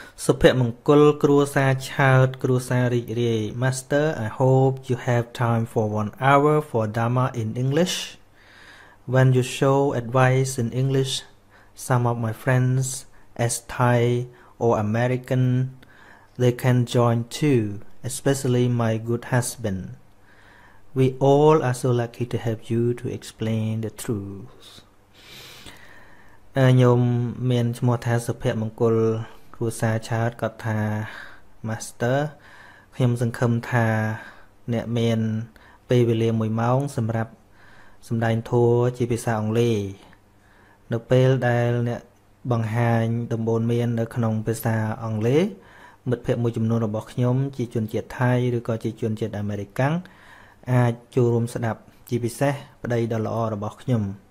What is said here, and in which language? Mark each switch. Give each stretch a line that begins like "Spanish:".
English: សុភមង្គលគ្រួសារឆើតគ្រួសាររីករាយ Master I hope you have time for 1 hour for Dharma in English. When you show advice in English, some of my friends as Thai or American, they can join too, especially my good husband. We all are so lucky to have you to explain the truth.
Khmer: ញោមមានឈ្មោះថាសុភមង្គលគ្រួសារឆើតគាត់ថា Master ខ្ញុំសង្ឃឹមថាអ្នកមានពេលវេលា1ម៉ោងសម្រាប់សម្ដែងធម៌ជាភាសាអង់គ្លេស នៅពេលដែលអ្នកបង្ហាញដំបូន្មាននៅក្នុងភាសាអង់គ្លេសមិត្តភ័ក្តិមួយចំនួនរបស់ខ្ញុំជាជនជាតិថៃឬក៏ជាជនជាតិអាមេរិកាំងអាចចូលរួមស្ដាប់ជាពិសេសប្តីដ៏ល្អរបស់ខ្ញុំ